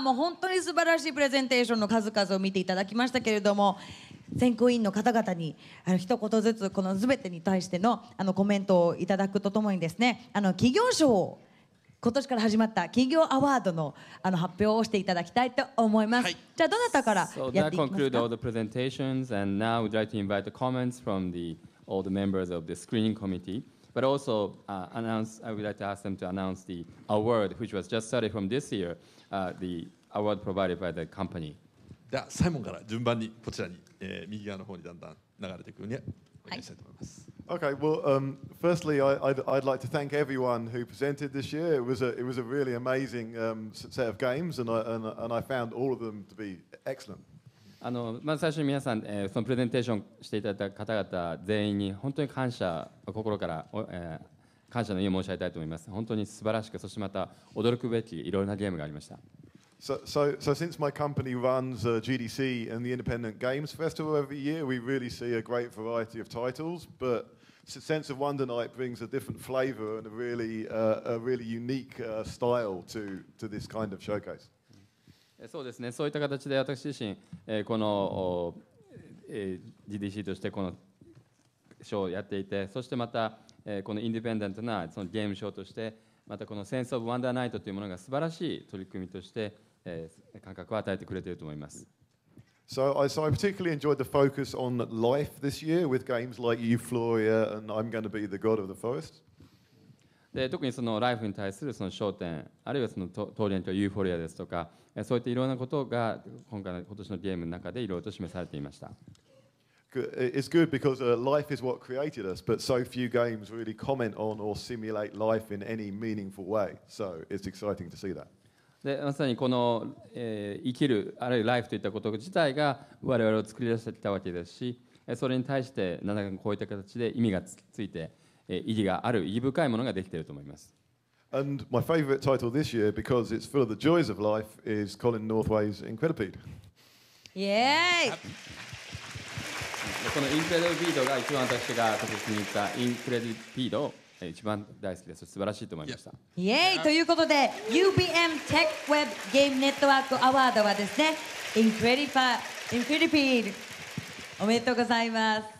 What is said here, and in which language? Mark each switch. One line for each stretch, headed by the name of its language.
Japanese: もう本当に素晴らしいプレゼンテーションの数々を見ていただきましたけれども、選考委員の方々に一言ずつこの全てに対して のコメントをいただくとともにですね、企業賞を今年から始まった企業アワード の発表をしていただきたいと思います。はい、じゃあどなたからやっていきますか。
English: So that concludes all the presentations and now we'd like to invite the comments from all the members of the screening committee but also I would like to ask them to announce the award which was just started from this year、the award provided by the company。
Japanese: ではサイモンから順番にこちらに、右側の方にだんだん流れていくようにお願いしたいと思います。はい、
English: Okay, well, firstly, I'd like to thank everyone who presented this year. It was a really amazing set of games, and I found all of them to be excellent.
Japanese: まず最初に皆さん、そのプレゼンテーションしていただいた方々全員に本当に感謝、心から、感謝の意を申し上げたいと思います。本当に素晴らしく、そしてまた驚くべきいろいろなゲームがありました。
English: So since my company runs GDC and the Independent Games Festival every year, we really see a great variety of titles. But Sense of Wonder Night brings a different flavor and a really unique style to this kind of showcase.
Japanese: そうですね。そういった形で私自身、この、GDC としてこのショーをやっていて、そしてまた、このインディペンデントなそのゲームショーとして、またこの Sense of Wonder Night というものが素晴らしい取り組みとして、感覚を与えてくれていると思います。
English: So I particularly enjoyed the focus on life this year with games like Euphoria and I'm going to be the God of the Forest.
Japanese: で、特にそのライフに対するその焦点、あるいはその当然とユーフォリアですとか、そういったいろんなことが今年のゲームの中でいろいろと示されていました。
English: It's good because life is what created us, but so few games really comment on or simulate life in any meaningful way. So it's exciting to see that.
Japanese: でまさにこの、生きるあるいはライフといったこと自体が我々を作り出してきたわけですし、それに対して何らかこういった形で意味がついて、意義がある意義深いものができていると思います。
English: And my favorite title this year because it's full of the joys of life is Colin Northway's Incredipede。イエーイ。
Japanese: このインクレディピードが一番私が今年に言ったインクレディピードを一番大好きです。素晴らしいと思いました。イエーイ。ということで UBM Tech Web Game Network Award はですね、Incredipede おめでとうございます。